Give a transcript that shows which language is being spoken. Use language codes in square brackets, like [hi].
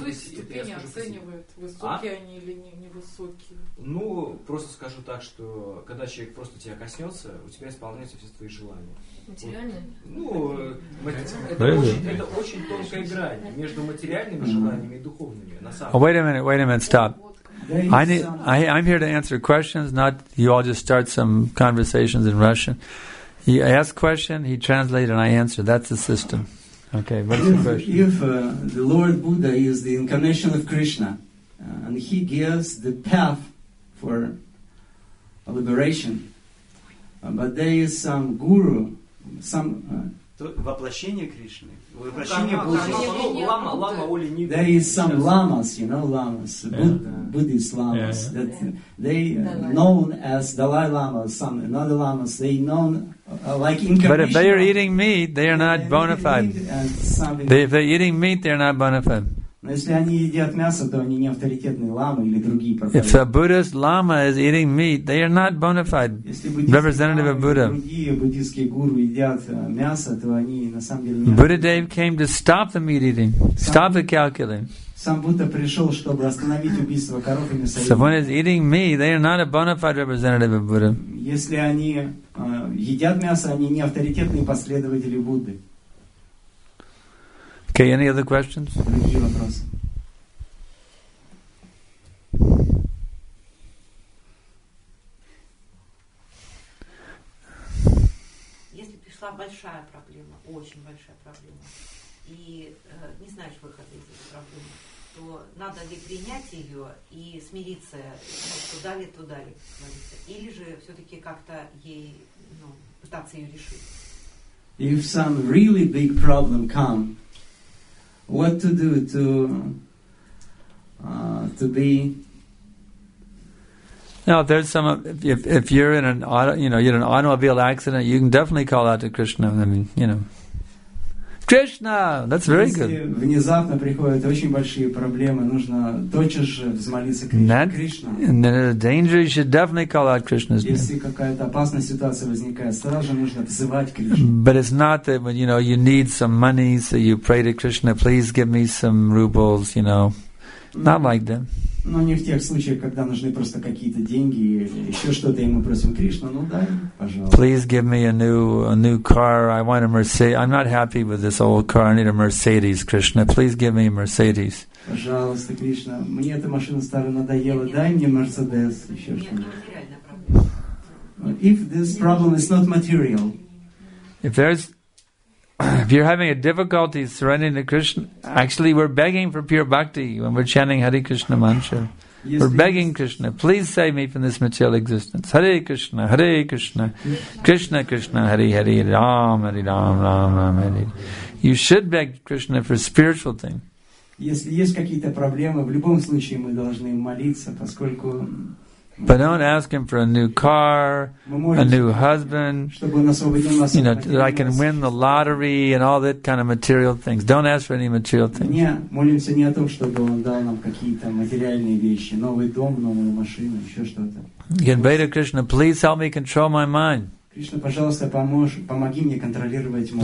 [ru] То есть ступени оценивают, высокие они или невысокие? Ну, просто скажу так, что когда человек просто тебя коснется, у тебя исполняются все твои желания. Материальные? Ну, это очень тонкая грань между материальными желаниями и духовными. [en] Wait a minute, stop. I'm here to answer questions, not you all just start some conversations in Russian. He asks question, he translates, and I answer. That's the system. Okay, what's your question? If the Lord Buddha is the incarnation of Krishna, and he gives the path for liberation, but there is some guru, some [ru] воплощение Кришны. Воплощение Будды. [en] There is some lamas, you know, lamas, Buddhist lamas. That they known as Dalai Lama, some another lamas. They known like incarnation. But if they are eating meat, they are not bona fide. If they're eating meat, they're not bona fide. [ru] Но если они едят мясо, то они не авторитетные ламы или другие проповедники. [en] If a Buddhist lama is eating meat, they are not bona fide representative of Buddha. [ru] Если другие буддийские гуру едят мясо, то они на самом деле не. [en] Buddha Dev came to stop the meat eating, stop the calculating. [ru] Сам Будда пришел, чтобы остановить убийство коров и мяса. [en] So one is eating meat, they are not a bona fide representative of Buddha. [ru] Если они едят мясо, они не авторитетные последователи Будды. [en] Okay, any other questions? [ru] Если пришла большая проблема, очень большая проблема, и не знаешь выхода из этой проблемы, то надо ли принять ее и смириться, ну, туда ли, как говорится, или же все-таки как-то ей, ну, пытаться ее решить? [en] If some really big problem come, what to do to be? Now, if there's some, if you're in an auto, you know, you're in an automobile accident, you can definitely call out to Krishna. I mean, you know, Krishna. That's very good. [ru] Если внезапно приходят очень большие проблемы, нужно тотчас же взмолиться Кришна. [en] And then in a danger, you should definitely call out Krishna. [ru] Если какая-то опасная ситуация возникает, сразу же нужно взывать Кришну. [en] But it's not that when you know you need some money, so you pray to Krishna, please give me some rubles. You know, not like that. [ru] Но не в тех случаях, когда нужны просто какие-то деньги или еще что-то, и мы просим Кришну, ну дай, пожалуйста. [en] Please give me a new car. I want a Mercedes. I'm not happy with this old car. I need a Mercedes, Krishna. Please give me a Mercedes. [ru] Пожалуйста, Кришна, мне эта машина старая надоела. Дай мне Mercedes. Еще что-нибудь. [en] If this problem is not material. If you're having a difficulty surrendering to Krishna, actually we're begging for pure bhakti when we're chanting Hare Krishna mantra. We're begging Krishna, please save me from this material existence. [sa] Hare Krishna, Krishna Krishna, Hare Hare, Ram Hare, Ram Ram Ram Hare. [en] You should beg Krishna for spiritual things. [ru] Если есть какие-то проблемы, в любом случае мы должны молиться, поскольку. [en] But don't ask him for a new car, a new husband, you know, that I can win the lottery and all that kind of material things. Don't ask for any material things. [ru] Не, молимся не о том, чтобы он дал нам какие-то материальные вещи, новый дом, новую машину, еще что-то. [en] You can pray to Krishna, please help me control my mind. [ru] Кришна, пожалуйста, помоги мне контролировать мой.